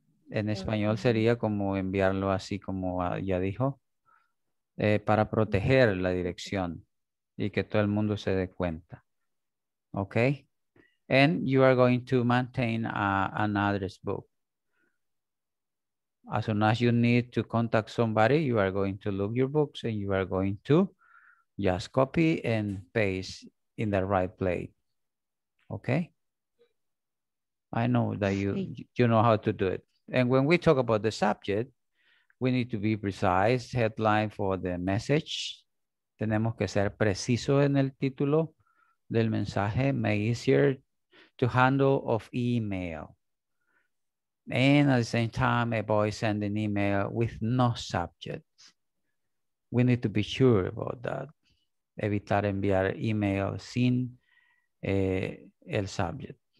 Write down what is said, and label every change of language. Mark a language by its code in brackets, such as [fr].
[es] En español sería como enviarlo así como ya dijo, para proteger la dirección y que todo el mundo se dé cuenta. [en] Okay. And you are going to maintain an address book. As soon as you need to contact somebody, you are going to look your books and you are going to just copy and paste in the right place. Okay. I know that you know how to do it. And when we talk about the subject, we need to be precise, headline for the message. [es] Tenemos que ser preciso en el título del mensaje. [en] Make it easier to handle of email. And at the same time, avoid sending email with no subject. We need to be sure about that. [es] Evitar enviar email sin el subject.